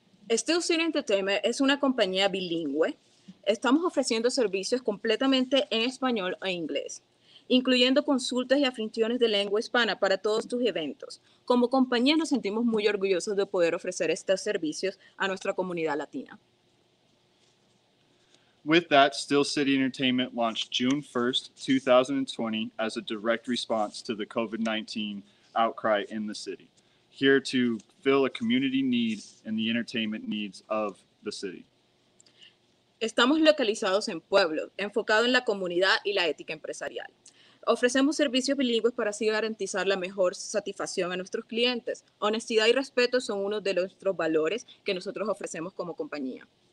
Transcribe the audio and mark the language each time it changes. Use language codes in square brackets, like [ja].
[es] Still City Entertainment es una compañía bilingüe. Estamos ofreciendo servicios completamente en español e inglés, incluyendo consultas y afinaciones de lengua hispana para todos tus eventos. Como compañía, nos sentimos muy orgullosos de poder ofrecer estos servicios a nuestra comunidad latina. [en] With that, Still City Entertainment launched June 1st, 2020 as a direct response to the COVID-19 outcry in the city, here to fill a community need and the entertainment needs of the city. [es] Estamos localizados en Pueblo, enfocado en la comunidad y la ética empresarial. Ofrecemos servicios bilingües para así garantizar la mejor satisfacción a nuestros clientes. Honestidad y respeto son uno de nuestros valores que nosotros ofrecemos como compañía.